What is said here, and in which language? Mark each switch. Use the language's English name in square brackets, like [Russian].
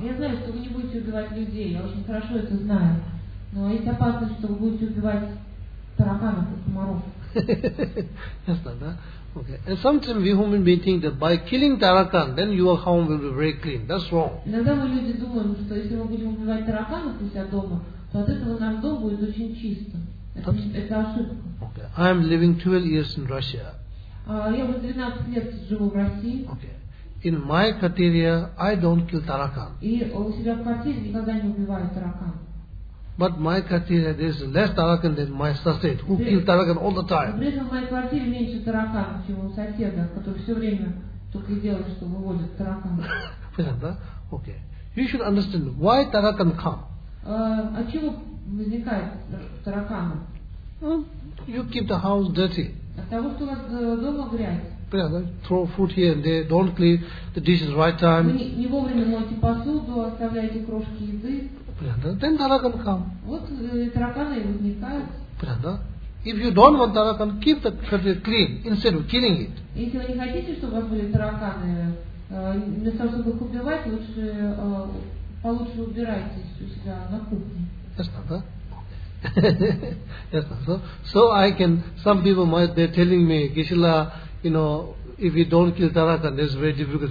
[Russian] Я знаю, что вы не будете убивать людей. Я очень хорошо это знаю. Но есть опасность, что вы будете убивать тараканов и комаров. [English] That's not that. Okay. And sometimes we human beings think that by killing Tarakan, then your home will be very clean. That's wrong. [Russian] Иногда мы люди думаем, что если мы будем убивать тараканов у себя дома, то от этого наш дом будет очень чисто. Это ошибка. [English] Okay. I am living 12 years in Russia. [Russian] Я уже 12 лет живу в России. [English] Okay. In my criteria, I don't kill tarakan. [Russian] И у себя в квартире никогда не убиваю таракан. [English] But my criteria, there is less tarakan than my sister, who kill tarakan all the time. [Russian] При этом в моей квартире меньше таракан, чем у соседа, который все время только и делает, что выводит таракан. Понятно? [English] Okay. You should understand why tarakan come. [Russian] От чего возникает таракан? [English] You keep the house dirty. [Russian] От того, что у вас дома грязь. [English] Yeah, throw food here and there, don't clean the dishes right time. [Russian] Не вовремя моете посуду, оставляете крошки еды. [English] Then tarakan come. [Russian] Вот тараканы возникают. [English] If you don't want tarakan, keep the kitchen clean instead of killing it. [Russian] Если вы не хотите, чтобы у вас были тараканы, вместо того, чтобы их убивать, лучше получше убирайтесь у себя на кухне. [English] That's not so. So I can, some people might, they're telling me, Geshe-la, you know, if we don't kill tarakan, it's very difficult.